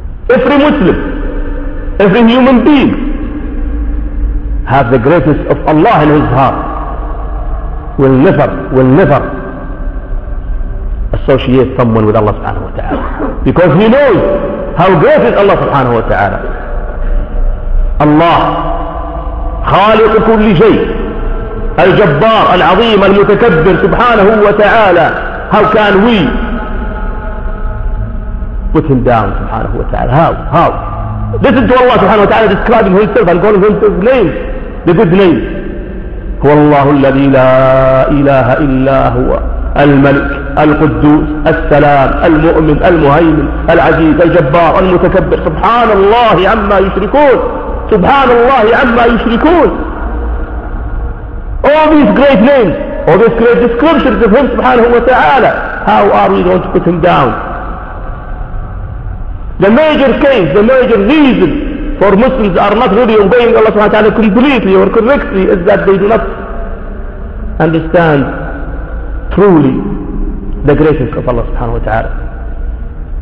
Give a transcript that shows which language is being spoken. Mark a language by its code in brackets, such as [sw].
[en] Every Muslim, every human being have the greatness of Allah in his heart, will never associate someone with Allah subhanahu wa ta'ala, because he knows how great is Allah subhanahu wa ta'ala. [ar] Allah خالق كل شيء الجبار العظيم المتكبر سبحانه وتعالى. [en] How can we put him down subhanahu wa ta'ala? How? Listen to Allah subhanahu wa ta'ala describing himself and calling him his name, the good name. [ar] هو الله الذي لا إله إلا هو الملك القدوس السلام المؤمن المهيمن العزيز الجبار المتكبر سبحان الله عما يشركون. سبحان الله عما يشركون. [en] All these great names, all these great descriptions of him subhanahu wa ta'ala, how are we going to put him down? The major case, the major reason for Muslims are not really obeying Allah subhanahu wa ta'ala completely or correctly is that they do not understand truly the greatness of Allah subhanahu wa ta'ala.